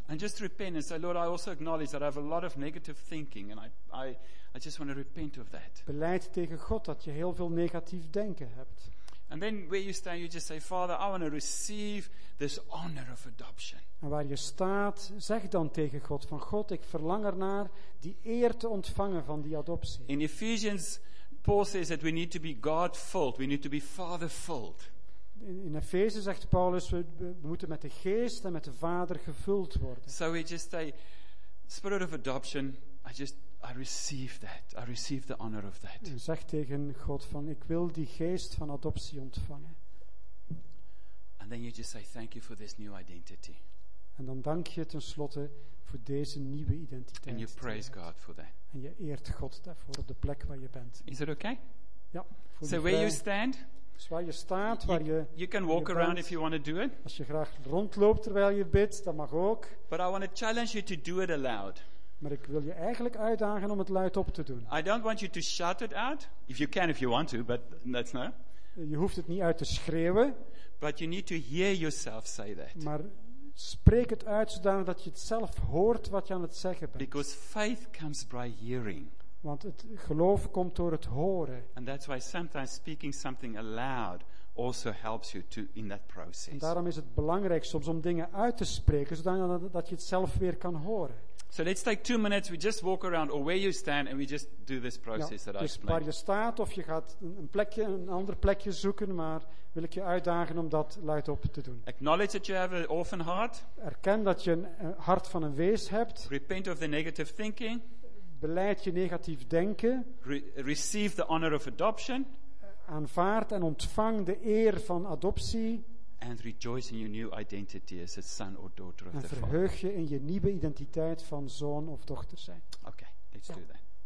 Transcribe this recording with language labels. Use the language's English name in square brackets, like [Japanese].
[English] And just repent and say, Lord, I also acknowledge that I have a lot of negative thinking and I just want to repent of that. [Dutch] Beleid tegen God dat je heel veel negatief denken hebt. [English] And then where you stand, you just say, Father, I want to receive this honor of adoption. [Dutch] En waar je staat, zeg dan tegen God, van God, ik verlang ernaar die eer te ontvangen van die adoptie. [English] In Ephesians, Paul says that we need to be God-filled, we need to be Father-filled. [Dutch] In Efeze zegt Paulus, we moeten met de Geest en met de Vader gevuld worden. [English] So we just say, Spirit of adoption, I receive that. I receive the honor of that. [Dutch] En zeg tegen God van, ik wil die geest van adoptie ontvangen. [English] And then you just say, thank you for this new identity. [Dutch] En dan dank je tenslotte voor deze nieuwe identiteit. [English] And you praise God for that. [Dutch] En je eert God daarvoor op de plek waar je bent. [English] Is it okay? [Dutch] Ja. [English] So where you stand? [Dutch] Dus waar je staat, waar [English] you, [Dutch] je [English] you can walk [Dutch] je [English] around if you want to do it. [Dutch] Als je graag rondloopt terwijl je bidt, dat mag ook. [English] But I want to challenge you to do it aloud. [Dutch] Maar ik wil je eigenlijk uitdagen om het luid op te doen. [English] I don't want you to shout it out. If you can, if you want to, but that's no. [Dutch] Je hoeft het niet uit te schreeuwen. [English] But you need to hear yourself say that. [Dutch] Maar spreek het uit zodanig dat je het zelf hoort wat je aan het zeggen bent. [English] Because faith comes by hearing. [Dutch] Want het geloof komt door het horen. [English] And that's why sometimes speaking something aloud also helps you to in that process. [Dutch] En daarom is het belangrijk soms om dingen uit te spreken zodanig dat je het zelf weer kan horen. [English] So let's take 2 minutes, we just walk around or where you stand and we just do this process [Dutch] ja, [English] that I explained. [Dutch] Waar je staat of je gaat een ander plekje zoeken, maar wil ik je uitdagen om dat luid op te doen. [English] Acknowledge that you have an orphan heart. [Dutch] Erken dat je een hart van een wees hebt. [English] Repent of the negative thinking. [Dutch] Beleid je negatief denken. [English] Receive the honor of adoption. [Dutch] Aanvaard en ontvang de eer van adoptie. [English] And rejoice in your new identity as a son or daughter of the Father. [Dutch] En verheug je in je nieuwe identiteit van zoon of dochter zijn. [English] Okay, let's do that.